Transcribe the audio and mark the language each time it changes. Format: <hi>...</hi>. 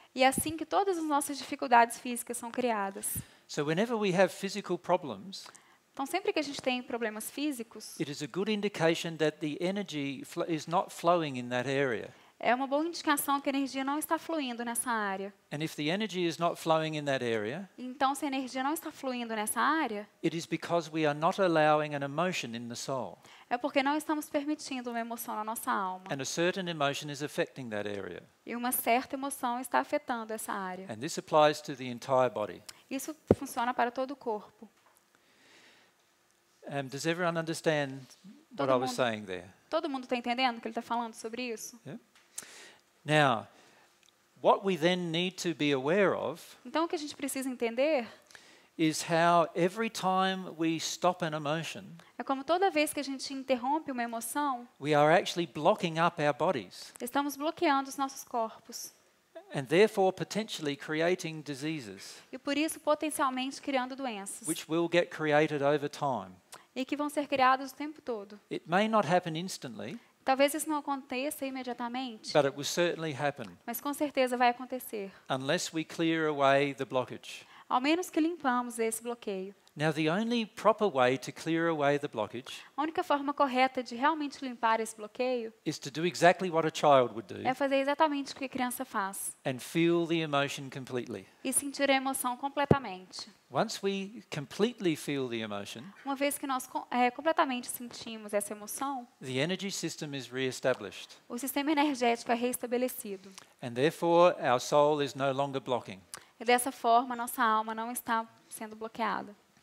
<pt>E é assim que todas as nossas dificuldades físicas são criadas.</pt> <en>So whenever we have physical problems,</en> <pt>então, sempre que a gente tem problemas físicos,</pt> <en>it is a good indication that the energy is not flowing in that area.</en> <pt>É uma boa indicação que a energia não está fluindo nessa área.</pt> <en>And if the energy is not flowing in that area,</en> <pt>então, se a energia não está fluindo nessa área,</pt> <en>it is because we are not allowing an emotion in the soul.</en> <pt>É porque não estamos permitindo uma emoção na nossa alma.</pt> <en>And a certain emotion is affecting that area.</en> <pt>E uma certa emoção está afetando essa área.</pt> <en>And this applies to the entire body.</en> <pt>Isso funciona para todo o corpo.</pt> <en>Does everyone understand what I was saying there?</en> <pt>Todo mundo está entendendo o que ele está falando sobre isso?</pt> <en>Now, what we then need to be aware of,</en> <pt>então, o que a gente precisa entender</pt> <en>is how every time we stop an emotion,</en> <pt>é como toda vez que a gente interrompe uma emoção,</pt> <en>we are actually blocking up our bodies.</en> <pt>Estamos bloqueando os nossos corpos.</pt> <en>And therefore potentially creating diseases.</en> <pt>E por isso potencialmente criando doenças.</pt> <en>Which will get created over time.</en> <pt>E que vão ser criados o tempo todo.</pt> <en>It may not happen instantly.</en> <pt>Talvez isso não aconteça imediatamente.</pt> <en>But it will certainly happen.</en> <pt>Mas com certeza vai acontecer.</pt> <en>Unless we clear away the blockage.</en> <pt>Ao menos que limpamos esse bloqueio.</pt> <en>Now the only proper way to clear away the blockage.</en> <pt>A única forma correta de realmente limpar esse bloqueio.</pt> <en>Is to do exactly what a child would do.</en> <pt>É fazer exatamente o que a criança faz.</pt> <en>And feel the emotion completely.</en> <pt>E sentir a emoção completamente.</pt> <en>Once we completely feel the emotion.</en> <pt>Uma vez que nós completamente sentimos essa emoção.</pt> <en>The energy system is re-established.</en> <pt>O sistema energético é reestabelecido.</pt> <en>And therefore our soul is no longer blocking.</en> <pt>E dessa forma nossa alma não está sendo bloqueada.</pt>